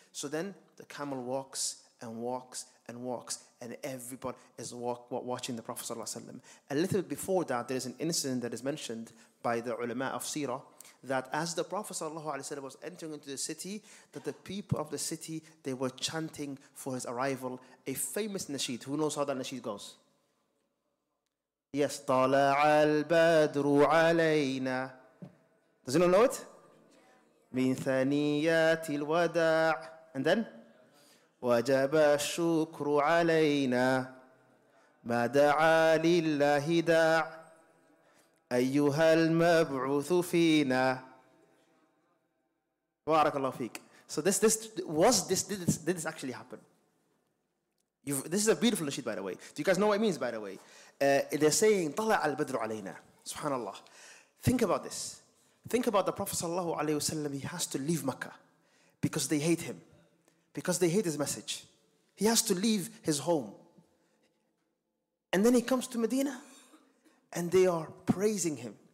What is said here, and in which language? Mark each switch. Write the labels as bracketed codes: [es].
[en] So then the camel walks and walks and walks, and everybody is watching the Prophet. A little bit before that, there is an incident that is mentioned by the ulama of Sirah, that as the Prophet sallallahu alaihi wasallam was entering into the city, that the people of the city, they were chanting for his arrival a famous nasheed. Who knows how that nasheed goes? [ar] Yes, طَلَعَ الْبَدْرُ عَلَيْنَا. [en] Does anyone know it? [ar] مِن ثَنِيَاتِ الْوَدَاعِ. [en] And then? [ar] وَجَبَ الشُّكْرُ عَلَيْنَا مَا دَعَى لِلَّهِ دَاعِ أيها المبعوث فينا. بارك الله فيك. [en] So did this actually happen? This is a beautiful nasheed, by the way. Do you guys know what it means, by the way? They're saying [ar] طلع البدر علينا. [en] Subhanallah. Think about this. Think about the Prophet sallallahu alaihi wasallam. He has to leave Mecca because they hate him, because they hate his message. He has to leave his home, and then he comes to Medina. And they are praising him.